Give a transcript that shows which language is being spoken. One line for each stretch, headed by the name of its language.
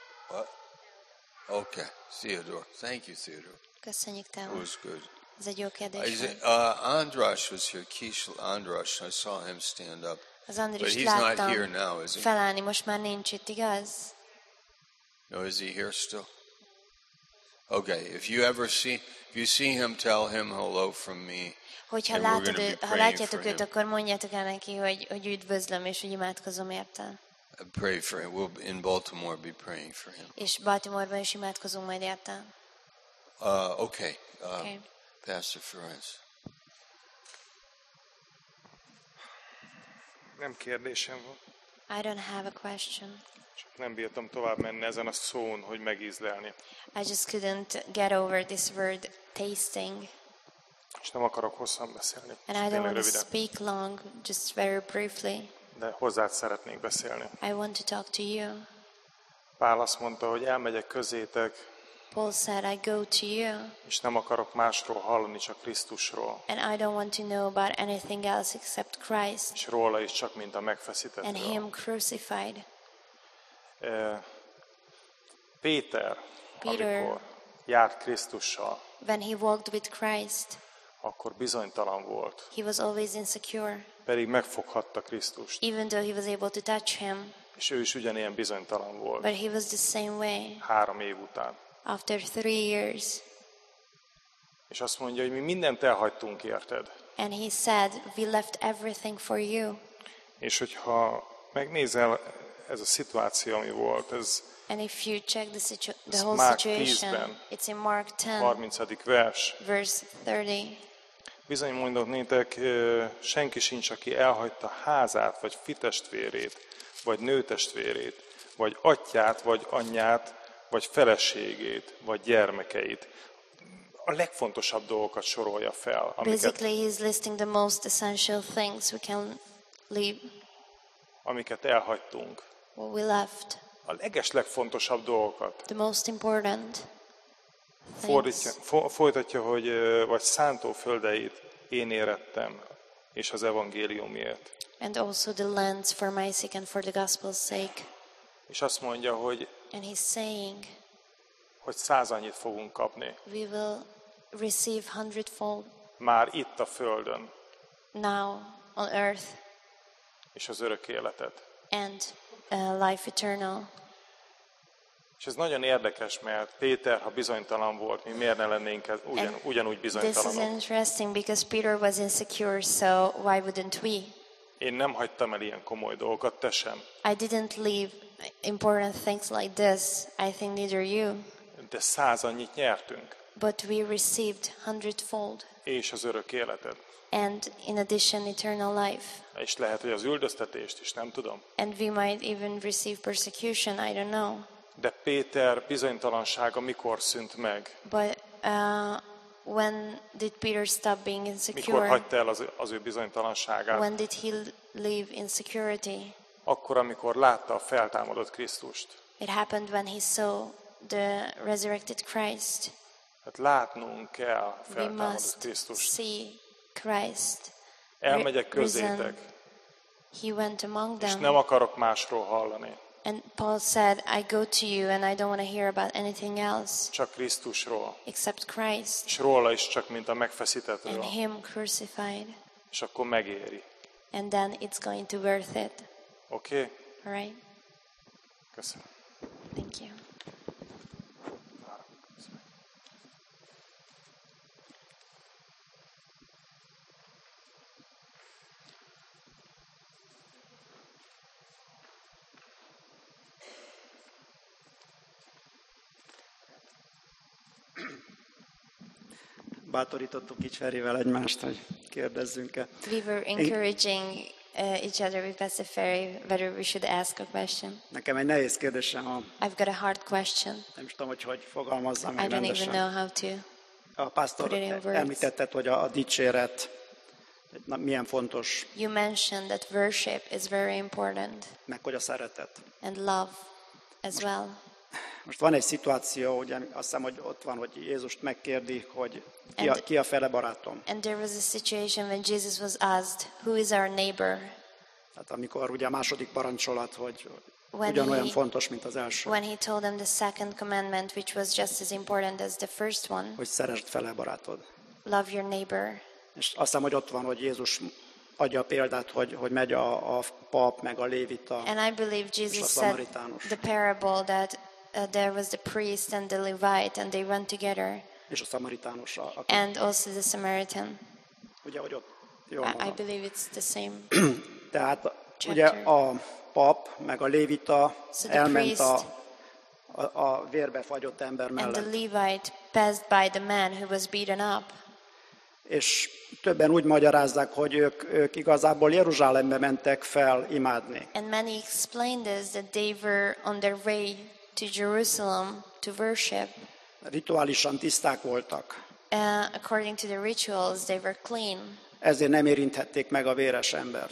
English: What? Okay, Theodore. Thank you, Theodore.
Hungarian: Köszönjük, Teo.
English: It was good.
Hungarian: Ez egy jó kérdés.
English: Andras was here. Kishl Andras. I saw him stand up.
Hungarian: Az Andris
English: but he's not here now, is he?
Hungarian: Felállni most már nincs itt, igaz?
English: No, is he here still? Okay, if you see him, tell him hello from me.
Hungarian: Hogyha látod, ha látjátok őt, akkor mondjátok el neki, hogy üdvözlöm és hogy imádkozom érte.
English: Pray for him. We'll in Baltimore be praying for him.
Hungarian: És Baltimoreban is imádkozunk majd érte.
English: Okay. Pastor Ferenc.
Hungarian: Nem kérdésem van.
English: I don't have a question.
Hungarian: Csak nem bírtam tovább menni ezen a szón, hogy megízlelni.
English: I just couldn't get over this word tasting.
Hungarian: És nem akarok hosszan beszélni.
English: And I don't want to speak long, just very briefly.
Hungarian: De hozzád szeretnék beszélni.
English: I want to talk to you.
Hungarian: Pál azt mondta, hogy elmegyek közétek.
English: Paul said, I go to you.
Hungarian: És nem akarok másról hallani, csak Krisztusról.
English: And I don't want to know about anything else except Christ.
Hungarian: És róla is csak, mint a megfeszítettről.
English: And him crucified.
Hungarian: Péter, amikor járt Krisztussal.
English: When he walked with Christ.
Hungarian: Akkor bizonytalan volt.
English: He was always insecure.
Hungarian: Pedig megfoghatta Krisztust.
English: Even though he was able to touch him.
Hungarian: És ő is ugyanilyen bizonytalan volt.
English: But he was the same way.
Hungarian: 3 év után.
English: After 3 years.
Hungarian: És azt mondja, hogy mi mindent elhagytunk, érted?
English: And he said, we left everything for you.
Hungarian: És hogyha megnézel ez a szituáció, ami volt, ez
English: and if you check the whole situation, it's in Mark 10,
Hungarian: 30. vers.
English: Verse 30.
Hungarian: Bizony mondok nétek, senki sincs, aki elhagyta házát, vagy fitestvérét, vagy nőtestvérét, vagy atyát, vagy anyját, vagy feleségét, vagy gyermekeit. A legfontosabb dolgokat sorolja fel.
English: Basically, he's listing the most essential things we can leave.
Hungarian: Amiket elhagytunk.
English: What we left.
Hungarian: A legeslegfontosabb dolgokat.
English: The most important.
Hungarian: Folytatja, hogy vagy szántóföldeit én érettem, és az evangéliumért.
English: And also the lands for my sake and for the gospel's sake.
Hungarian: És azt mondja, hogy
English: and he's saying,
Hungarian: hogy százannyit fogunk kapni.
English: We will receive hundredfold.
Hungarian: Már itt a földön.
English: Now on earth.
Hungarian: És az örök életet.
English: And life eternal.
Hungarian: És ez nagyon érdekes, mert Péter, ha bizonytalan volt, mi miért ne lennénk ugyanúgy bizonytalanok?
English: This is interesting because Peter was insecure, so why wouldn't we?
Hungarian: Én nem hagytam el ilyen komoly dolgokat, te sem.
English: I didn't leave important things like this. I think neither you.
Hungarian: De 100 annyit nyertünk.
English: But we received 100-fold.
Hungarian: És az örök életet.
English: And in addition, eternal life.
Hungarian: És lehet, hogy az üldöztetést is, nem tudom.
English: And we might even receive persecution, I don't know.
Hungarian: De Péter bizonytalansága mikor szűnt meg?
English: But when did Peter stop being insecure?
Hungarian: Mikor hagyta el az ő bizonytalanságát?
English: When did he leave insecurity?
Hungarian: Akkor, amikor látta a feltámadott Krisztust.
English: It happened when he saw the resurrected Christ.
Hungarian: Hát látnunk kell a feltámadott Krisztust.
English: We must see Christ.
Hungarian: Elmegyek közétek.
English: He went among them.
Hungarian: És nem akarok másról hallani.
English: And Paul said, I go to you and I don't want to hear about anything else.
Hungarian: Csak Krisztusról.
English: Except Christ.
Hungarian: És róla is csak, mint a megfeszítettről.
English: And him crucified.
Hungarian: És akkor megéri.
English: And then it's going to worth it. Okay. All right.
Hungarian: Köszönöm.
English: Thank you.
Hungarian: Bátorítottuk így Ferivel egymást, hogy kérdezzünk-e.
English: We were encouraging each other with Pastor Ferry whether we should ask a question.
Hungarian: Nekem egy nehéz kérdésem van.
English: I've got a hard question.
Hungarian: Nem is tudom, hogy fogalmazzam meg rendesen.
English: I don't even know how to.
Hungarian: A pásztor említetted, hogy a dicséret milyen fontos.
English: You mentioned that worship is very important.
Hungarian: Meg hogy a szeretet.
English: And love as well.
Hungarian: Most van egy szituáció, ugye azt hiszem, hogy ott van, hogy Jézust megkérdi, hogy ki a fele barátom.
English: And there was a situation when Jesus was asked, who is our neighbor?
Hungarian: Hát amikor ugye a második parancsolat, hogy ugyanolyan fontos, mint az első.
English: When he told them the second commandment, which was just as important as the first one.
Hungarian: Hogy szeresd fele barátod.
English: Love your neighbor.
Hungarian: És azt hiszem, hogy ott van, hogy Jézus adja a példát, hogy megy a pap, meg a lévita,
English: and I believe Jesus said the parable that there was the priest and the Levite and they went together.
Hungarian: És a szamaritánus.
English: And also the Samaritan.
Hungarian: Ugye, hogy ott,
English: I believe it's the same.
Hungarian: Tehát chapter. Ugye a pap meg a lévita
English: so
Hungarian: elment priest, a vérbe fagyott ember mellett.
English: And the Levite passed by the man who was beaten up.
Hungarian: És többen úgy magyarázzák, hogy ők igazából Jeruzsálembe mentek fel imádni.
English: And many explained this that they were on their way to Jerusalem to worship.
Hungarian: Rituálisan tiszták voltak.
English: According to the rituals, they were clean.
Hungarian: Ezért nem érinthették meg a véres embert.